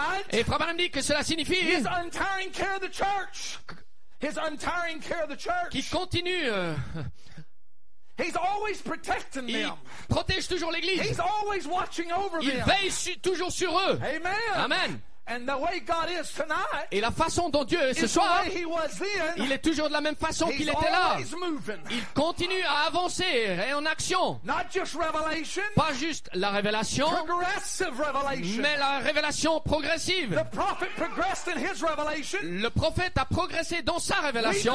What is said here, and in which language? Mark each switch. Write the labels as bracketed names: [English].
[French] Et Frère Branham dit que cela signifie [English] care of the church, his untiring care of the church. [French] Qui continue. [English] He's always protecting them. [French] Il protège toujours l'église. [English] He's always watching over [French] them. Il veille toujours sur eux. Amen. Amen. [English] And the way God is tonight, [French] et la façon dont Dieu est ce soir, [English] the way he was then, [French] il est toujours de la même façon qu'il était là. [English] Moving. [French] Il continue à avancer et en action. [English] Not just revelation, [French] pas juste la révélation, [English] progressive revelation. [French] Mais la révélation progressive. [English] The prophet progressed in his revelation. [French] Le prophète a progressé dans sa révélation.